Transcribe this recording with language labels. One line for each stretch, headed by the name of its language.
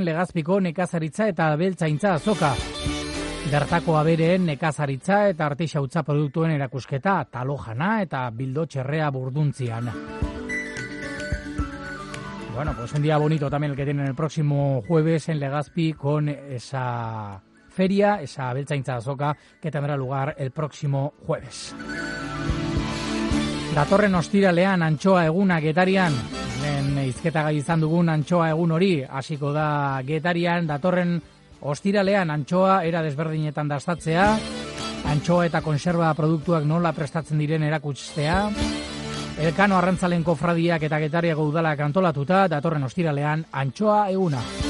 Basque: legazpiko nekazaritza eta abeltzaintza azoka. Bertako abereen nekazaritza eta artisautza produktuen erakusketa, talo jana eta bildotxerrea burduntzian.
Spanish: Bueno, pues un día bonito también el que tienen el próximo jueves en Legazpi con esa feria, esa beltzaintza azoka, que tendrá lugar el próximo jueves.
Basque: Datorren ostiralean, antxoa eguna Getarian, en izketagai izan dugun antxoa egun hori, hasiko da Getarian, datorren ostiralean, antxoa era desberdinetan dastatzea, antxoa eta konserba produktuak nola prestatzen diren erakutstea, Elkano Arrantzalen kofradiak eta Getariako udalak antolatuta, datorren ostiralean, antxoa eguna.